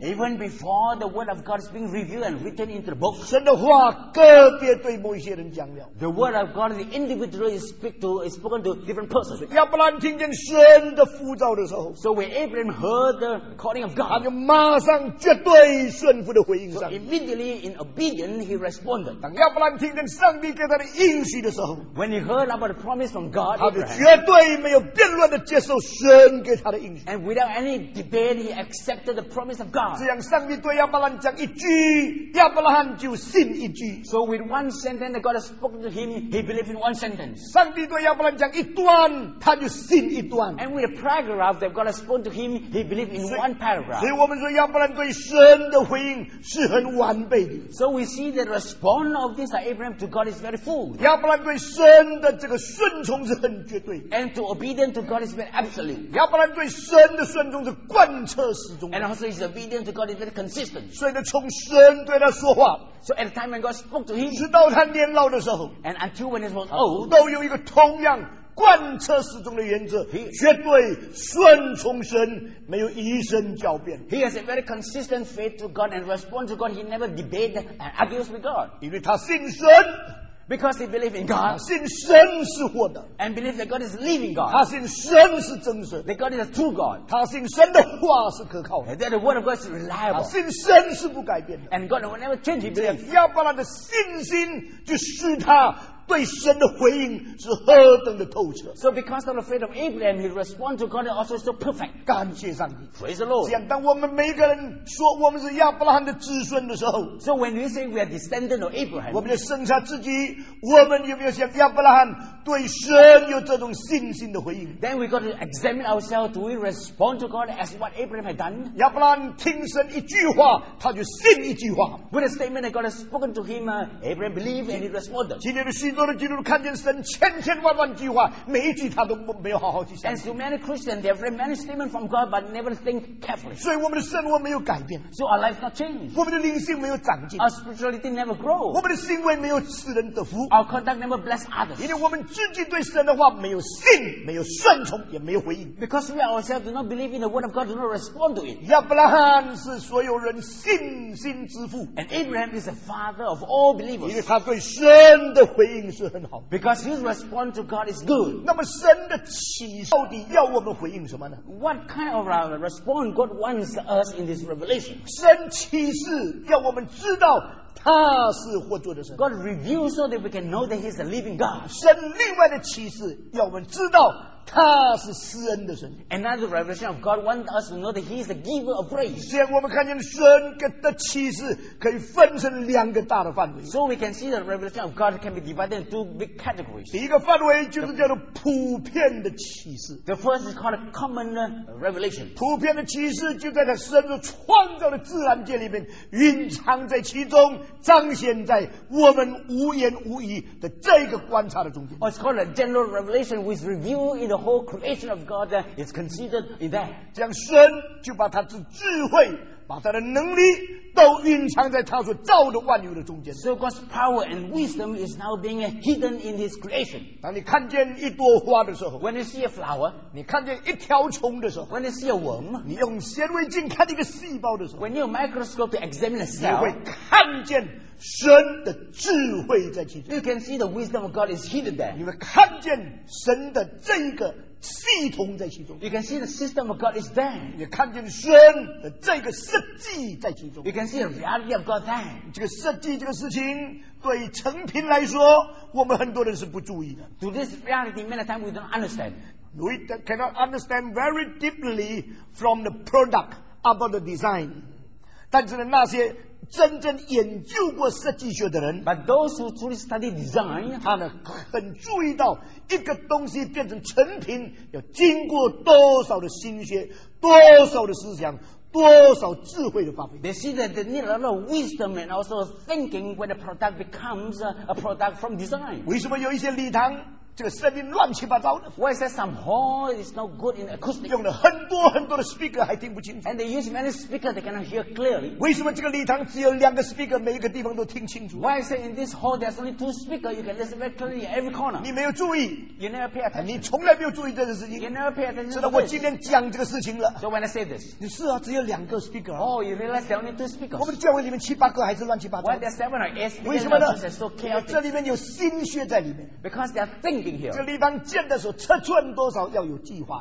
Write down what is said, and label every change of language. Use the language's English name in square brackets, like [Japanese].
[English] even before the word of God is being revealed and written into the book, [Chinese] 神的话个别对某一些人讲了。 [English] The word of God, the individual is spoken to different persons. [Chinese] 亚伯兰听见神的呼召的时候， [English] so when Abraham heard the calling of God, [Chinese] 他就马上绝对顺服的回应上。 [English] So immediately in obedience he responded. [Chinese] 当亚伯兰听见上帝给他的应许的时候， [English] when he heard about the promise from God, [Chinese] 他就绝对没有辩论的接受神给他的应许。 [English] And without any debate he accepted the promise of God. [Chinese] 这样上帝对亚伯兰讲一句，亚伯兰就信一句。 [English] So with one sentence that God has spoken to him, he believed in one sentence. [Chinese] 上帝对亚伯兰讲一段， [English] and with a paragraph that God has spoken to him, he believed in one paragraph. [Chinese] 所以我们说亚伯兰对神的回应是很完备的。 [English] So we see the response of this Abraham to God is very full. [Chinese] 亚伯兰对神的这个顺从是很绝对。 [English] And to obedient to God is very absolute. [Chinese] 亚伯兰对神的顺从是贯彻始终的。 [English] And also his obedience to God is very consistent. [Chinese] 所以从神对他说话， [English] so at the time when God spoke to him, [Chinese] 直到他年老的时候， [English] and until when he was old, [Chinese] 都有一个同样贯彻始终的原则，绝对顺从神，没有一声狡辩。 [English] He has a very consistent faith to God and responds to God. He never debates and argues with God. [Chinese] 因为他信神。 [English] Because he believes in God. [Chinese] 他信神是活的。 [English] And believes that God is living God. [Chinese] 他信神是真神。 [English] That God is a true God. [Chinese] 他信神的话是可靠的。 [English] And that the word of God is reliable. [Chinese] 他信神是不改变的。 [English] And God will never change his belief. [Chinese] 亚伯拉罕的信心就使他对神的回应是何等的透彻。 [English] So because of the faith of Abraham, he responds to God also so perfect. [Chinese] 感谢上帝。 [English] Praise the Lord. [Chinese] 这样当我们每个人说我们是亚伯拉罕的子孙的时候， [English] So when we say we are descendant of Abraham, [Chinese] 我们就剩下自己，我们有没有像亚伯拉罕对神有这种信心的回应？ [English] Then we got to examine ourselves. Do we respond to God as what Abraham had done? [Chinese] 亚伯拉罕听神一句话，他就信一句话。 [English] With a statement that God has spoken to him, Abraham believed and he responded. [Chinese] 今天的信，很多的基督徒看见神千千万万句话，每一句他都没有好好去想。 [English] And so many Christians, they have read many statements from God, but never think carefully. [Chinese] 所以我们的生活没有改变。 [English] So our life not changed. [Chinese] 我们的灵性没有长进。 [English] Our spirituality never grow. [Chinese] 我们的行为没有使人得福。 [English] Our conduct never bless others. [Chinese] 因为我们自己对神的话没有信，没有顺从，也没有回应。 [English] Because we ourselves do not believe in the word of God, do not respond to it. [Chinese] 亚伯拉罕是所有人信心之父。 [English] And Abraham is the father of all believers. [Chinese] 因为他对神的回应。 [English] Because his response to God is good. [Chinese] 那么神的启示到底要我们回应什么呢？ [English] What kind of a response God wants us in this revelation? [Chinese] 神启示要我们知道他是活着的神。 [English] God reveals so that we can know that he is a living God. [Chinese] 神另外的启示要我们知道他是施恩的神。 [English] Another revelation of God wants us to know that he is the giver of grace. [Chinese] 这样我们看见神的启示可以分成两个大的范围。 [English] So we can see the revelation of God can be divided into two big categories. [Chinese] 第一个范围就是叫做普遍的启示。 [English] The first is called a common revelation. [Chinese] 普遍的启示就在神的创造的自然界里面蕴藏在其中，彰显在我们无言无语的这个观察的中间。 [English] Or it's called a general revelation with review in the whole creation of God is considered in that. [Chinese] 这样神就把他的智慧，把他的能力都蕴藏在他所造的万有的中间。 [English] So God's power and wisdom is now being hidden in his creation. [Chinese] 当你看见一朵花的时候， [English] When you see a flower, [Chinese] 你看见一条虫的时候， [English] When you see a worm, [Chinese] 你用显微镜看一个细胞的时候， [English] When you use a microscope to examine a cell, [Chinese] 你会看见神的智慧在其中。 [English] You can see the wisdom of God is hidden there. [Chinese] 你会看见神的这一个系统在其中。 [English] You can see the system of God is there. [Chinese] 你看见神的这个设计在其中。 [English] You can see the reality of God there. [Chinese] 这个设计这个事情对成品来说，我们很多人是不注意的。 [English] To this reality, many times we don't understand. We cannot understand very deeply from the product about the design. [Chinese] 但是那些真正研究过设计学的人， [English] But those who truly study design, [Chinese] 他呢很注意到一个东西变成成品要经过多少的心血，多少的思想，多少智慧的发挥。 [English] They see that they need a lot of wisdom and also thinking when a product becomes a product from design. [Chinese] 为什么有一些礼堂这个设计乱七八糟的？ [English] Why is that some hall is not good in acoustic? [Chinese] 用了很多很多的 speaker 还听不清楚。 [English] And they use many speakers, they cannot hear clearly. [Chinese] 为什么这个礼堂只有两个 speaker, 每一个地方都听清楚？ [English] Why is that in this hall there's only two speakers, you can listen very clearly in every corner? [Chinese] 你没有注意。 [English] You never pay attention. [Chinese] 你从来没有注意这件事情。 [English] You never pay attention. [Chinese] 知道我今天讲这个事情了。 [English] So when I say this, [Chinese] 你是啊，只有两个 speaker. [English] Oh, you realize there only two speakers. [Chinese] 我们的教会里面七八个还是乱七八糟。 [English] Why there's seven or eight speakers? [Chinese] 为什么呢？ [English] So chaotic. [Chinese] 这里面有心血在里面。 [English] Because they are thinking. [Chinese] 这个地方建的时候尺寸多少要有计划。